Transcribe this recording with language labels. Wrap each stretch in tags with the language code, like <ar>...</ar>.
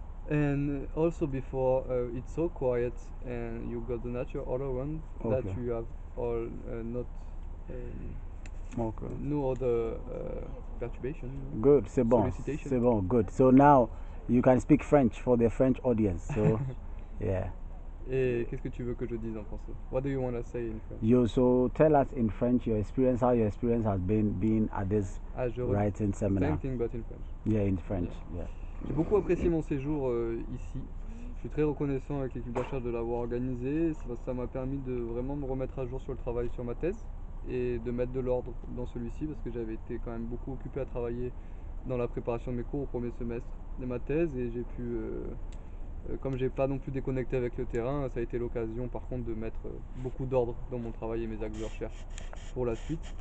<en>And also before it's so quiet and you got the nature all around, okay. That you have all not. Okay. No other perturbation. Good,</en> <fr>c'est bon.</fr> <en>Solicitation.</en> <fr>C'est bon,</fr> <en>good. So now you can speak French for the French audience. So, yeah.</en> <fr>Et qu'est-ce que tu veux que je dise en français?</fr> <en>What do you want to say in French? Yo, so tell us in French your experience, how your experience has been being at this writing seminar. Same thing but in French. Yeah, in French. Yeah.</en> <fr>J'ai beaucoup apprécié mon séjour ici. Je suis très reconnaissant avec l'équipe de recherche de l'avoir organisé. Ça m'a permis de vraiment me remettre à jour sur le travail sur ma thèse. Et de mettre de l'ordre dans celui-ci parce que j'avais été quand même beaucoup occupé à travailler dans la préparation de mes cours au premier semestre de ma thèse et j'ai pu comme j'ai pas non plus déconnecté avec le terrain, ça a été l'occasion par contre de mettre beaucoup d'ordre dans mon travail et mes axes de recherche pour la suite.</fr>